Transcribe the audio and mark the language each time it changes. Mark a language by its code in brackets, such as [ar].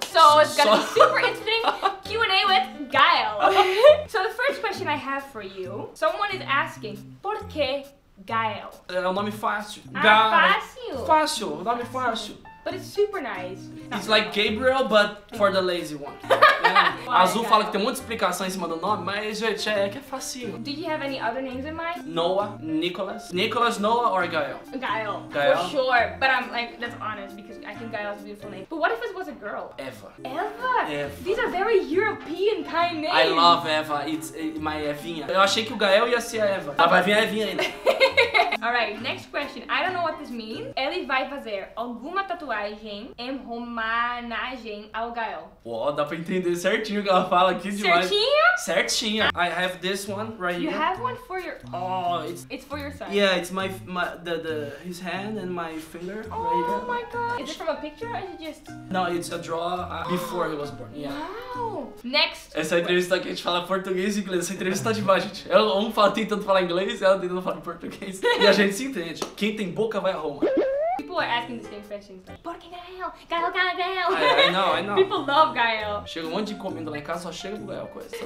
[en] So it's gonna be super interesting Q&A with Gael. So the first question I have for you, someone is asking, [pt] por que [en] Gael? [pt] É um nome fácil. Fácil. Nome fácil. [en] But it's super nice. It's like Gabriel, but for the lazy one. Yeah. [pt] Azul fala que tem muita explicação em cima do nome, mas gente, é que é facinho. [en] Do you have any other names in mind? Noah, Nicholas. Nicholas, Noah, or Gael? Gael. Gael. For sure. But I'm like, that's honest, because I think Gael is a beautiful name. But what if it was a girl? Eva. Eva? Eva. These are very European kind names. I love Eva. It's my Evinha. [pt] Eu achei que o Gael ia ser a Eva. Ah, vai vir a Evinha ainda. [en] Alright, next question. I don't know what this means. [pt] Ele vai fazer alguma tatuagem em homenagem ao Gael. Uou, dá pra entender certinho o que ela fala aqui demais. Certinho? [en] Certinho. I have this one right you You have one for your... Oh, it's... It's for your son. Yeah, it's his hand and my finger. Oh, right here. Oh my god. Is it from a picture or is it just... No, it's a draw before he was born. Yeah. Wow. Next. [pt] Essa entrevista aqui a gente fala português e inglês. Essa entrevista tá demais, gente. Ela um fala, tentando falar inglês e ela tentando falar português. E a gente se entende. Quem tem boca vai a Roma. [en] People are asking the same questions. Like, [pt] por que [en] Gael? Gael, Gael, Gael. I know. People love Gael. [pt] Chega um monte de comida lá em casa, só chega pro Gael coisa.